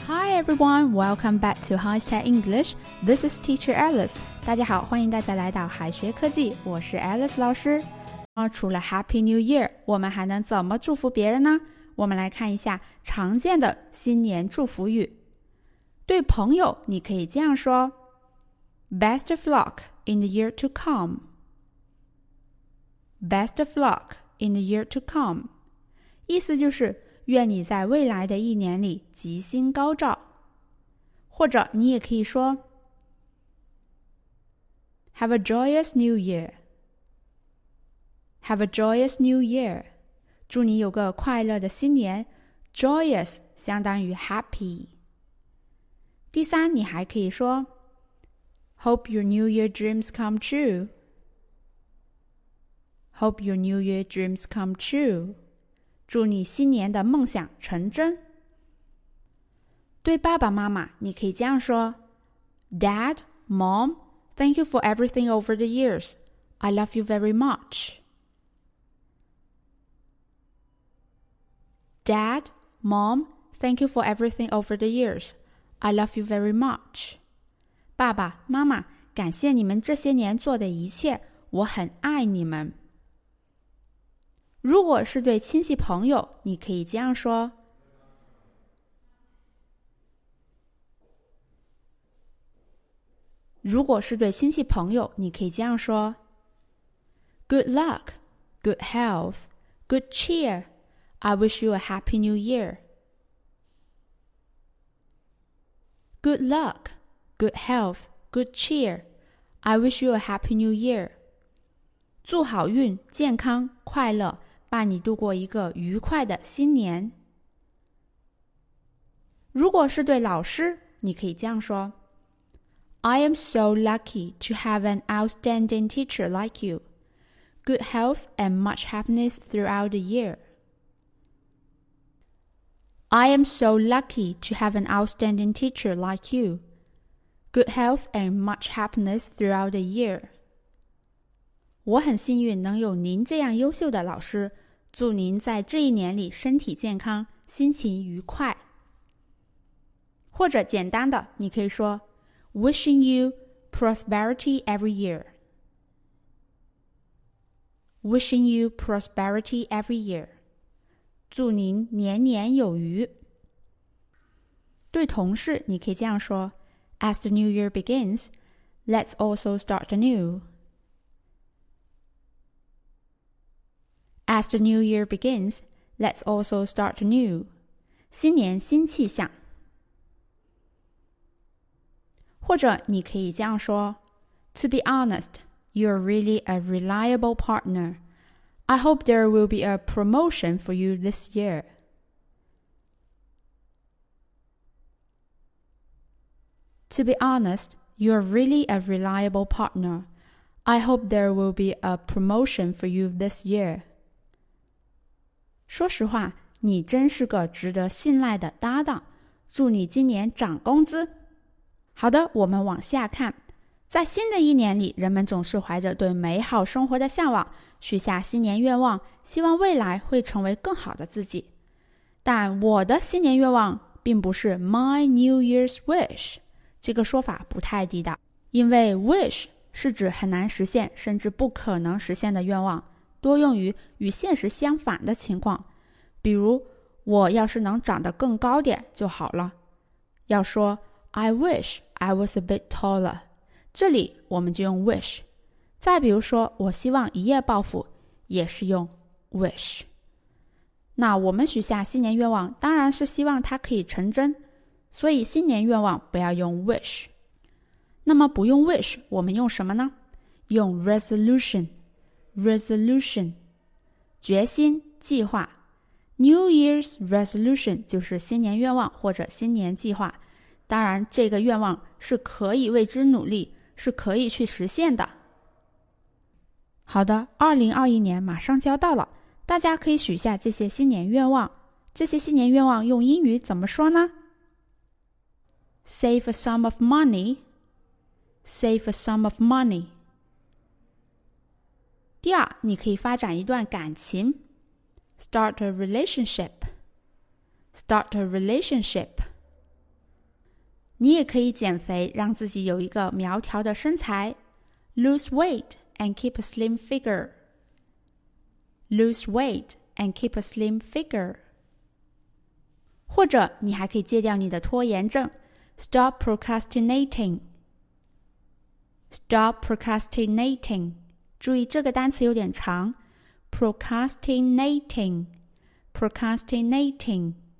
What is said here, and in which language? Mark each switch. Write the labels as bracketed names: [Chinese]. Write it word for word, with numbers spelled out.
[English] everyone, welcome back to High Tech English. This is Teacher Alice. [Chinese] 大家好，欢迎大家来到海学科技，我是 Alice 老师。啊，除了 [English] Happy New Year， [Chinese] 我们还能怎么祝福别人呢？我们来看一下常见的新年祝福语。对朋友，你可以这样说 ： [English] Best of luck in the year to come. Best of luck in the year to come. [Chinese] 意思就是。愿你在未来的一年里吉星高照，或者你也可以说 [English] Have a joyous new year. Have a joyous new year. [Chinese] 祝你有个快乐的新年。 Joyous 相当于 happy。 第三，你还可以说 [English] Hope your new year dreams come true. Hope your new year dreams come true. [Chinese] 祝你新年的梦想成真。对爸爸妈妈，你可以这样说 [English] Dad, Mom, thank you for everything over the years. I love you very much. Dad, Mom, thank you for everything over the years. I love you very much. [Chinese] 爸爸妈妈，感谢你们这些年做的一切，我很爱你们。如果是对亲戚朋友，你可以这样说 如果是对亲戚朋友，你可以这样说 [English] Good luck, good health, good cheer. I wish you a happy new year. Good luck, good health, good cheer. I wish you a happy new year. [Chinese] 祝好运，健康，快乐。伴你度过一个愉快的新年。如果是对老师，你可以这样说 [English] I am so lucky to have an outstanding teacher like you. Good health and much happiness throughout the year. I am so lucky to have an outstanding teacher like you. Good health and much happiness throughout the year. [Chinese] 我很幸运能有您这样优秀的老师，祝您在这一年里身体健康，心情愉快。或者简单的，你可以说 [English] Wishing you prosperity every year. Wishing you prosperity every year. [Chinese] 祝您年年有余。对同事，你可以这样说 [English] As the new year begins, let's also start anew. As the new year begins, let's also start anew. [Chinese] 新年新气象。或者你可以这样说 [English] To be honest, you're really a reliable partner. I hope there will be a promotion for you this year. To be honest, you're really a reliable partner. I hope there will be a promotion for you this year. [Chinese] 说实话，你真是个值得信赖的搭档，祝你今年涨工资。好的，我们往下看。在新的一年里，人们总是怀着对美好生活的向往，许下新年愿望，希望未来会成为更好的自己。但我的新年愿望并不是 [English] My New Year's Wish， [Chinese] 这个说法不太地道，因为 wish 是指很难实现，甚至不可能实现的愿望。多用于与现实相反的情况，比如我要是能长得更高点就好了。要说 [English] I wish I was a bit taller， [Chinese] 这里我们就用 [English] wish。 [Chinese] 再比如说我希望一夜暴富，也是用 wish。那我们许下新年愿望，当然是希望它可以成真，所以新年愿望不要用 wish。那么不用 wish， 我们用什么呢？用 resolution。 Resolution， 决心，计划。 New Year's Resolution 就是新年愿望或者新年计划，当然这个愿望是可以为之努力，是可以去实现的。好的，二零二一年马上就要到了，大家可以许下这些新年愿望。这些新年愿望用英语怎么说呢？ [English] Save a sum of money. Save a sum of money. [Chinese] 第二，你可以发展一段感情 [English] Start a relationship. Start a relationship. [Chinese] 你也可以减肥，让自己有一个苗条的身材。 [English] Lose weight and keep a slim figure. Lose weight and keep a slim figure. [Chinese] 或者你还可以戒掉你的拖延症。 [English] Stop procrastinating. Stop procrastinating. [Chinese] 注意这个单词有点长。Procrastinating. [English] Procrastinating.